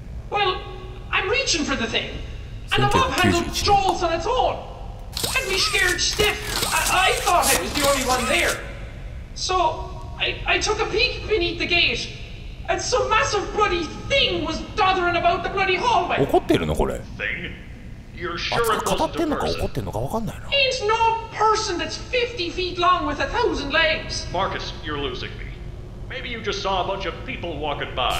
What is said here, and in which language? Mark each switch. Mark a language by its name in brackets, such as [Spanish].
[English] Well, I'm reaching for the thing. And the mop handle strolls on its own. And me scared stiff. I thought I was the only one there. So, I took a peek beneath the gate. And some massive bloody thing was dothering about the bloody hallway. [Japanese] 怒ってるのこれ。 [English] Thing? [Japanese] あいつが語ってんのか怒ってんのか分かんないな。 [English] Ain't no person that's 50 feet long with 1,000 legs. Marcus, you're losing me. Maybe you just saw a bunch of people walking by.